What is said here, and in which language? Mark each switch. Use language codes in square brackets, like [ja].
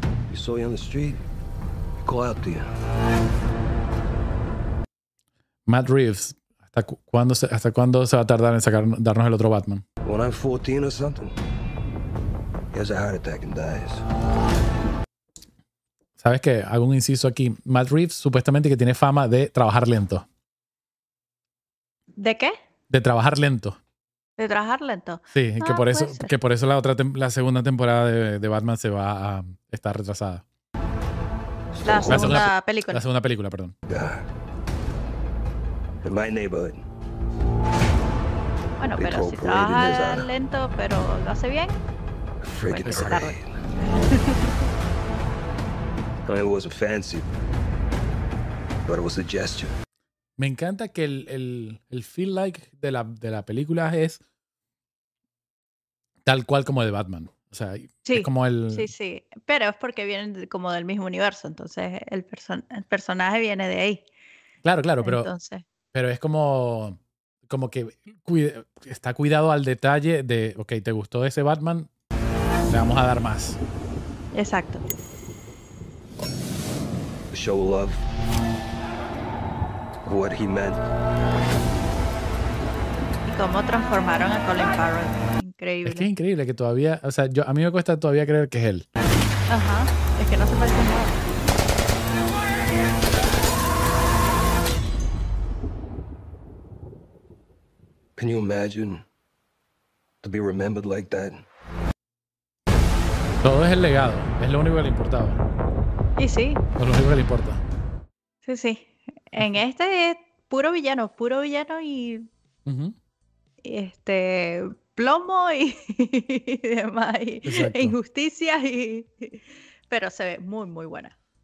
[en] He saw you on the street, he called out to you. [es] Matt Reeves, ¿hasta cuándo se va a tardar en sacar, darnos el otro Batman? [en] When I'm 14 or something, he has a heart attack and dies. [es] ¿Sabes qué? Hago un inciso aquí. Matt Reeves supuestamente que tiene fama de trabajar lento. ¿De qué? De trabajar lento. ¿De trabajar lento? Sí, que por eso la segunda temporada de Batman se va a estar retrasada. La segunda película. La segunda película, perdón. [en] Yeah. In my neighborhood. [es] Bueno, pero si trabaja lento, pero lo hace bien. [en] Freaking [es] bueno, tarde. [en] I mean, it wasn't fancy, but it was a gesture. [es] Me encanta que el [en] feel like [es] de la película es tal cual como el de Batman. O sea, sí, es como el... Sí, sí. Pero es porque vienen como del mismo universo. Entonces, el personaje viene de ahí. Claro, claro. Pero, entonces... pero es como que está cuidado al detalle de, ok, ¿te gustó ese Batman? Le vamos a dar más. Exacto. [en] Show love what he meant. [es] Y cómo transformaron a Colin Farrell. Increíble. Es que es increíble que todavía, o sea, yo, a mí me cuesta todavía creer que es él. Ajá. Es que no se parece nada. [en] Can you imagine to be remembered like that? [es] Todo es el legado. Es lo único que le importaba. Y sí. Es lo único que le importa. Sí, sí. En este es puro villano y... Uh-huh. Este... plomo y demás. Y injusticias y... Pero se ve muy, muy buena.